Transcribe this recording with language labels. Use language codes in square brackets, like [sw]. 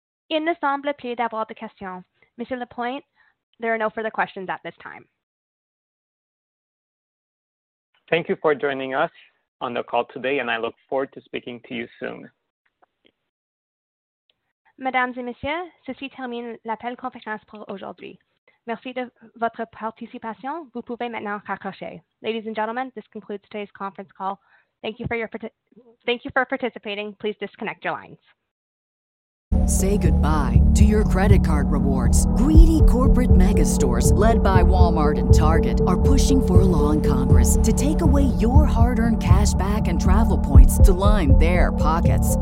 [fr] Il ne semble plus d'avoir de questions. [en] Monsieur Lapointe, there are no further questions at this time. Thank you for joining us on the call today, and I look forward to speaking to you soon. [fr] Mesdames et messieurs, ceci termine l'appel conférence pour aujourd'hui. Merci de votre participation. Vous pouvez maintenant raccrocher. [en] Ladies and gentlemen, this concludes today's conference call. Thank you for participating. Please disconnect your lines. Say goodbye to your credit card rewards. Greedy corporate mega stores, led by Walmart and Target, are pushing for a law in Congress to take away your hard-earned cash back and travel points to line their pockets.